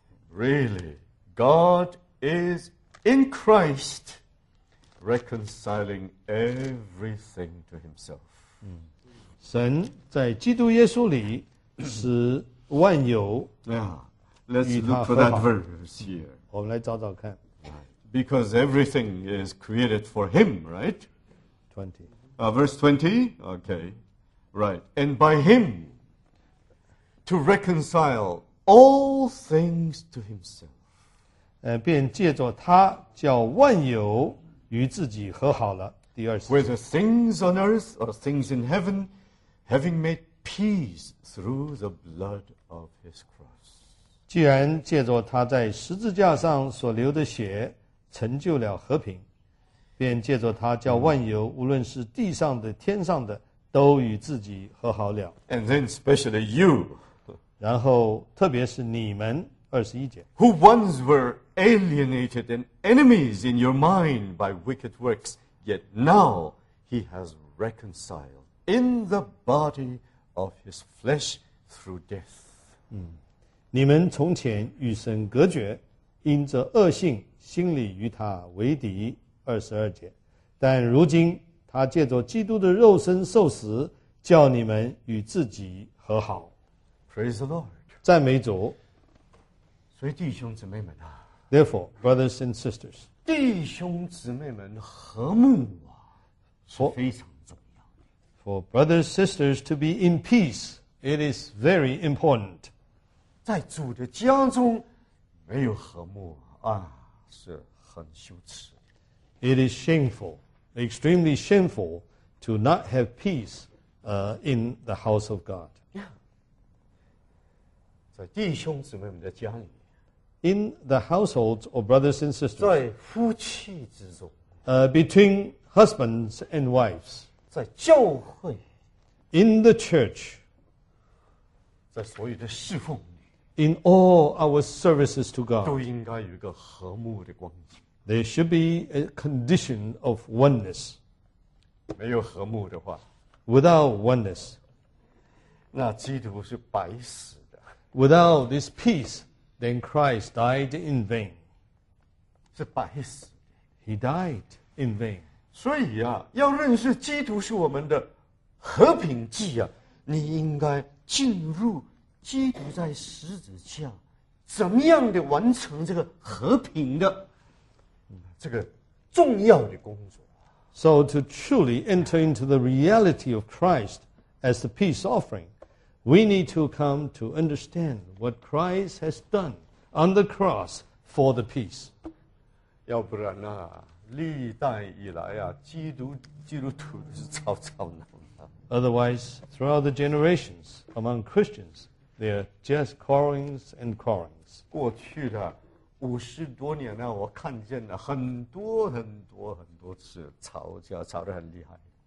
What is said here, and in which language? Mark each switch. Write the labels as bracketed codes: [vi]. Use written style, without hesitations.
[en] Really, God is in Christ reconciling everything to himself. [zh] 神在基督耶稣里使万有 [en] Let's look for that verse here. [zh] 我们来找找看。 [en] Because everything is created for him, right? 20. Verse 20? Okay. Right. And by him, to reconcile all things to himself. [zh] 便借着他叫万有与自己和好了。第二十节。 [en] Whether things on earth or things in heaven, having made peace through the blood of his cross. [zh] 既然借着他在十字架上所流的血成就了和平，便借着他叫万有，无论是地上的、天上的，都与自己和好了。 [en] And then especially you. [zh] 然后特别是你们，二十一节。 [en] Who once were alienated and enemies in your mind by wicked works, yet now he has reconciled in the body of his flesh through death. [zh] 你们从前与神隔绝，因着恶性心里与他为敌，二十二节。但如今他借着基督的肉身受死，叫你们与自己和好。 [en] Praise the Lord. [zh] 赞美主。所以弟兄姊妹们啊， [en] Therefore, brothers and sisters, [zh] 弟兄姊妹们和睦啊是非常重要的。 [en] For brothers and sisters to be in peace, it is very important. [zh] 在主的家中没有和睦啊是很羞耻。 [en] It is shameful. Extremely shameful to not have peace in the house of God. Yeah. In the household of brothers and sisters. [zh] 在夫妻之中, [en] between husbands and wives. [zh] 在教会, [en] in the church. [zh] 在所有的侍奉里, [en] in all our services to God. [zh] 都应该有一个和睦的光景。 [en] There should be a condition of oneness. [zh] 没有和睦的话, [en] without oneness, [zh] 那基督是白死的。 [en] Without this peace, then Christ died in vain. [zh] 是白死的。 [en] He died in vain. [zh] 所以啊，要认识基督是我们的和平祭啊，你应该进入基督在十字架，怎么样的完成这个和平的这个重要的工作。 [en] So to truly enter into the reality of Christ as the peace offering, we need to come to understand what Christ has done on the cross for the peace. [zh] 要不然啊，历代以来啊，基督徒是吵吵闹闹。 [en] Otherwise, throughout the generations among Christians, they are just quarrelings and quarrelings. [zh] 过去的五十多年了，我看见了很多很多很多次吵架，吵得很厉害。